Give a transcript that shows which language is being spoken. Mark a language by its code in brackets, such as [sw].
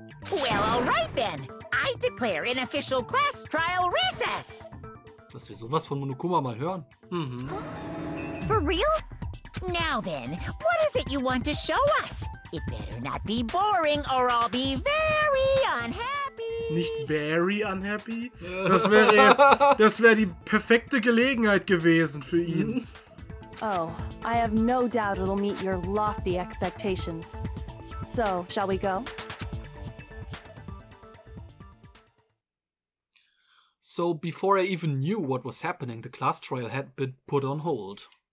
[en] Well, all right then. I declare an official class trial recess. [de] Dass wir sowas von Monokuma mal hören. [en] For real? Now then, what is it you want to show us? It better not be boring or I'll be very unhappy. [de] Nicht [en] very unhappy? [de] Das wäre jetzt, das wäre die perfekte Gelegenheit gewesen für ihn. [en] Oh, I have no doubt it'll meet your lofty expectations. So, shall we go? So before I even knew what was happening, the class trial had been put on hold.